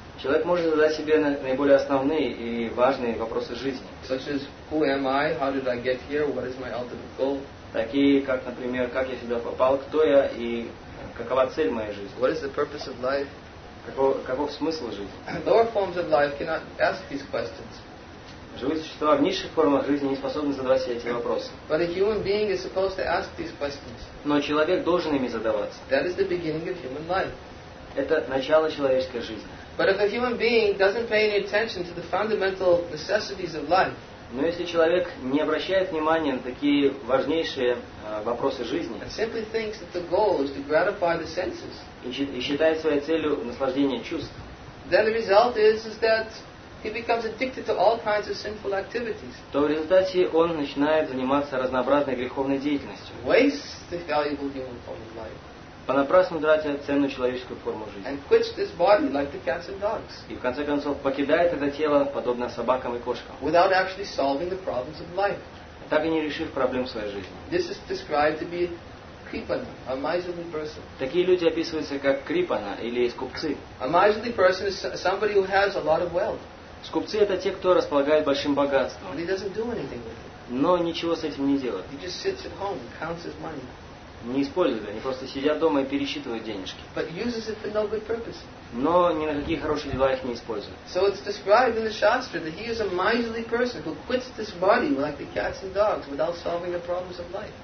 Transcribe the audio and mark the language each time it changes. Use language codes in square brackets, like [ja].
[ru] Человек может задать себе наиболее основные и важные вопросы жизни. [en] Such as, who am I? How did I get here? What is my ultimate goal? [ru] Такие, как, например, как я сюда попал, кто я и какова цель моей жизни. [en] What is the purpose of life? [ru] Каков смысл жизни? [en] Lower forms of life cannot ask these questions. [ru] Живые существа в низших формах жизни не способны задавать себе эти вопросы. [en] But a human being is supposed to ask these questions. [ru] Но человек должен ими задаваться. [en] That is the beginning of human life. [ru] Это начало человеческой жизни. [en] But if a human being doesn't pay any attention to the fundamental necessities of life, [ru] но если человек не обращает внимания на такие важнейшие вопросы жизни, [en] and simply thinks that the goal is to gratify the senses, [ru] и считает своей целью наслаждение чувств, [en] then the result is that he becomes addicted to all kinds of sinful activities. [ru] То в результате он начинает заниматься разнообразной греховной деятельностью. [en] Wastes the valuable human form of life. [ru] Понапрасну тратя ценную человеческую форму жизни. [en] And quits this body like the cats and dogs. [ru] И в конце концов покидает это тело, подобно собакам и кошкам. [en] Without actually solving the problems of life. [ru] Так и не решив проблем своей жизни. [en] This is described to be kripana, a miserly person. [ru] Такие люди описываются как крипана или скупцы. [en] A miserly person is somebody who has a lot of wealth. [ru] Скупцы — это те, кто располагает большим богатством. [en] But he doesn't do anything with it. [ru] Но ничего с этим не делает. [en] He just sits at home and counts his money. [ru] Не используют, они просто сидят дома и пересчитывают денежки. [en] But uses it for no good purpose. [ru] Но ни на какие хорошие дела их не используют. [en] So it's described in the Shastra that he is a miserly person who quits this body like the cats and dogs without solving the problems of life.